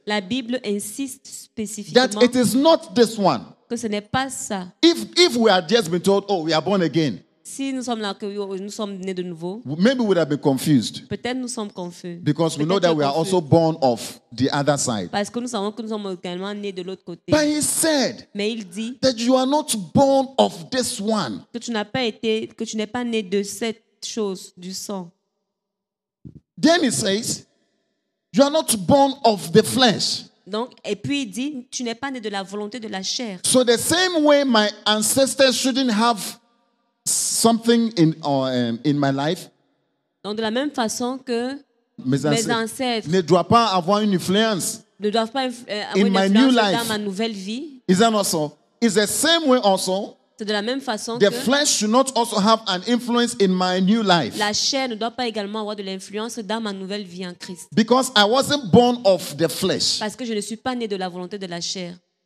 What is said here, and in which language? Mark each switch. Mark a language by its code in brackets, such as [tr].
[fr] La Bible insiste spécifiquement [en] that it is not this one. [fr] Que ce n'est pas ça. [en] If we had just been told, oh, we are born again. [fr] Si nous sommes là, que nous sommes nés de nouveau. [en] Maybe we'd have been confused. [fr] Peut-être nous sommes confus. [en] Because we know that we are also born of the other side. [fr] Parce que nous savons que nous sommes également nés de l'autre côté. [en] But he said, [fr] mais il dit, [en] that you are not born of this one. [fr] Que tu n'as pas été, que tu n'es pas né de cette chose, du sang. [en] Then he says, you are not born of the flesh. [fr] Donc, et puis il dit, tu n'es pas né de la volonté de la chair. [en] So the same way my ancestors shouldn't have something in my life. [fr] Donc de la même façon que mes ancêtres ne doivent pas avoir une influence. Ne doivent pas influence dans ma nouvelle vie. [en] Is that not so? Is the same way also? [fr] C'est de la même façon [en] the [fr] que [en] flesh should not also have an influence in my new life. [fr] La chair ne doit pas également avoir de l'influence dans ma nouvelle vie en Christ. [en] Because I wasn't born of the flesh. [fr] Parce que je ne suis pas né de la volonté de la chair.